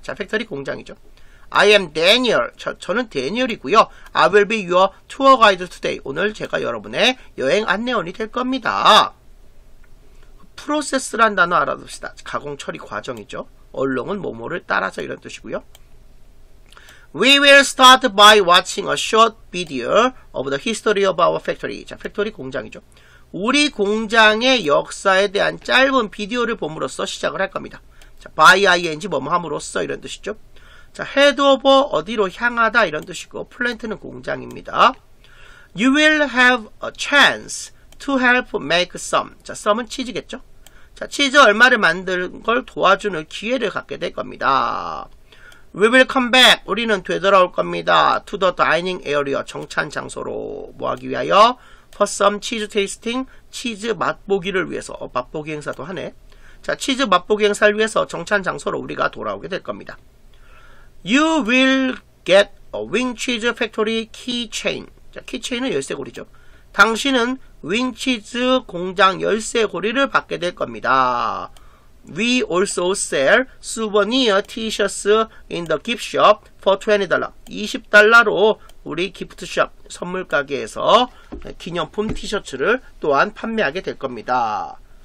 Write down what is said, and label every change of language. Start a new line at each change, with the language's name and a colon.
Korean: 자, 팩토리 공장이죠.
English: I am Daniel.
Korean: 저는 Daniel이고요.
English: I will be your tour guide today.
Korean: 오늘 제가 여러분의 여행 안내원이 될 겁니다. 프로세스란 단어 알아둡시다. 가공 처리 과정이죠. 얼렁은 뭐뭐를 따라서 이런 뜻이고요.
English: We will start by watching a short video of the history of our factory.
Korean: 자, 팩토리 공장이죠. 우리 공장의 역사에 대한 짧은 비디오를 보므로써 시작을 할 겁니다. 자, by ing 뭐뭐함으로써 이런 뜻이죠. 자, head over 어디로 향하다 이런 뜻이고 plant는 공장입니다.
English: You will have a chance to help make some.
Korean: 자, some은 치즈겠죠. 자, 치즈 얼마를 만드는 걸 도와주는 기회를 갖게 될 겁니다.
English: We will come back.
Korean: 우리는 되돌아올 겁니다.
English: To the dining area.
Korean: 정찬 장소로. 뭐 하기 위하여?
English: For some cheese tasting.
Korean: 치즈 맛보기를 위해서. 맛보기 행사도 하네. 자, 치즈 맛보기 행사를 위해서 정찬 장소로 우리가 돌아오게 될 겁니다.
English: You will get a wing cheese factory keychain.
Korean: 자, keychain은 열쇠고리죠. 당신은 윙치즈 공장 열쇠고리를 받게 될 겁니다.
English: We also sell souvenir t-shirts in the gift shop for $20.
Korean: 20달러로 우리 기프트샵 선물 가게에서 기념품 티셔츠를 또한 판매하게 될 겁니다.